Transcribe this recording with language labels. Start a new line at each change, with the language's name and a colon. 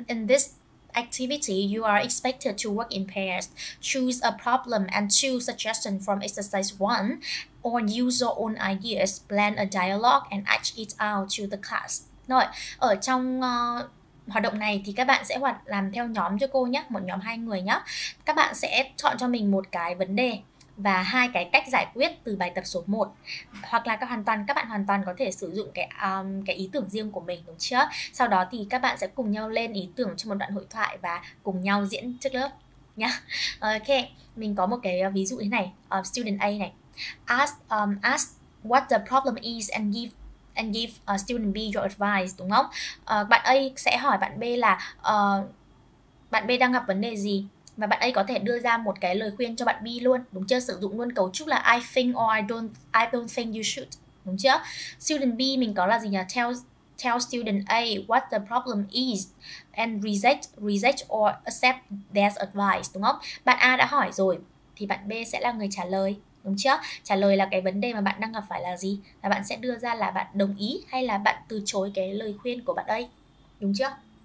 English: In this activity, you are expected to work in pairs. Choose a problem and two suggestions from exercise 1. Or use your own ideas, plan a dialogue and act it out to the class.
Vietnamese: Rồi, ở trong hoạt động này thì các bạn sẽ hoạt làm theo nhóm cho cô nhé, một nhóm 2 người nhé. Các bạn sẽ chọn cho mình một cái vấn đề và hai cái cách giải quyết từ bài tập số 1. Hoặc là các bạn hoàn toàn có thể sử dụng cái ý tưởng riêng của mình, đúng chưa? Sau đó thì các bạn sẽ cùng nhau lên ý tưởng cho một đoạn hội thoại và cùng nhau diễn trước lớp nha. Ok, mình có một cái ví dụ thế này.
English: Student A
Vietnamese: này
English: ask what the problem is and give student B your advice,
Vietnamese: đúng không? Bạn A sẽ hỏi bạn B là bạn B đang gặp vấn đề gì, và bạn A có thể đưa ra một cái lời khuyên cho bạn B luôn, đúng chưa? Sử dụng luôn cấu trúc là
English: I think or I don't think you should,
Vietnamese: đúng chưa? Student B mình có là gì nhỉ?
English: Tell student A what the problem is and reject or accept their advice,
Vietnamese: đúng không? Bạn A đã hỏi rồi thì bạn B sẽ là người trả lời, đúng chưa? Trả lời là cái vấn đề mà bạn đang gặp phải là gì, và bạn sẽ đưa ra là bạn đồng ý hay là bạn từ chối cái lời khuyên của bạn A, đúng chưa?